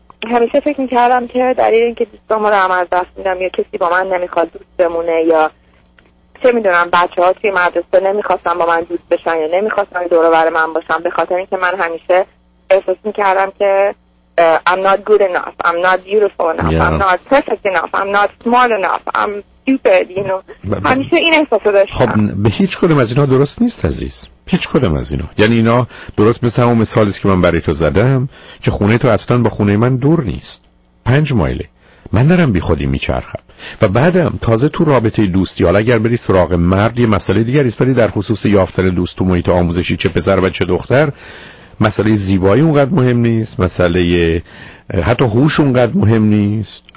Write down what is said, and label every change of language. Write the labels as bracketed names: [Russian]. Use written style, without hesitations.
[Persian] همیشه فکر میکردم که دلیل اینکه دوستامو رو هم از دست میدم، یا کسی با من نمیخواد دوست بمونه، یا چه میدونم بچه ها توی مدرسه نمیخواستن با من دوست بشن، یا نمیخواستن دور و بر من باشن، به خاطر اینکه من همیشه احساس میکردم که [English] I'm not good enough, I'm not beautiful enough, yeah. I'm not perfect enough, I'm not smart enough, I'm stupid, you know. [Persian] همیشه این احساس رو داشتم. خب به هیچ کدوم از اینا درست نیست عزیز، هیچ کدوم از اینا. یعنی اینا درست مثل همون مثالیست که من برای تو زدم که خونه تو اصلا با خونه من دور نیست، 5 مایله. من دارم بی خودی میچرخم و بعدم تازه تو رابطه دوستی، حالا اگر بری سراغ مرد یه مسئله دیگر است، ولی در خصوص یافتن دوست تو محیط آموزشی چه پسر و چه دختر، مسئله زیبایی اونقدر مهم نیست، مسئله حتی هوش اونقدر مهم نیست.